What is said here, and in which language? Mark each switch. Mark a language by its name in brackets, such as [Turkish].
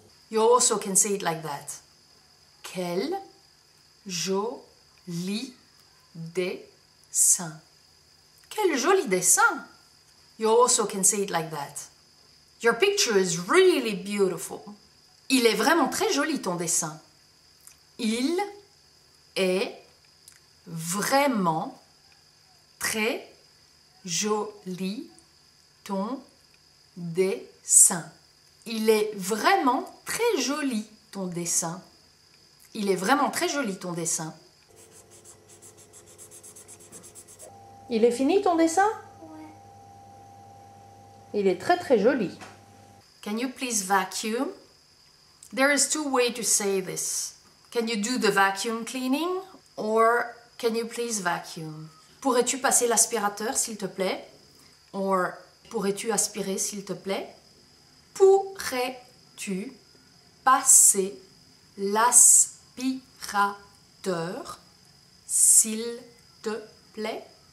[English] You also can say it like that. [French] Quel joli dessin. Quel joli dessin. [English] You also can say it like that. Your picture is really beautiful. [French] Il est vraiment très joli ton dessin. Il est vraiment très joli ton dessin. Il est vraiment très joli ton dessin. Il est vraiment très joli ton dessin. Il est fini ton dessin? Ouais. Il est très très joli. [English] Can you please vacuum? There is two ways to say this. Can you do the vacuum cleaning? Or can you please vacuum? [French] Pourrais-tu passer l'aspirateur s'il te plaît? Or pourrais-tu aspirer, s'il te plaît? Pourrais-tu passer l'aspirateur, s'il te plaît?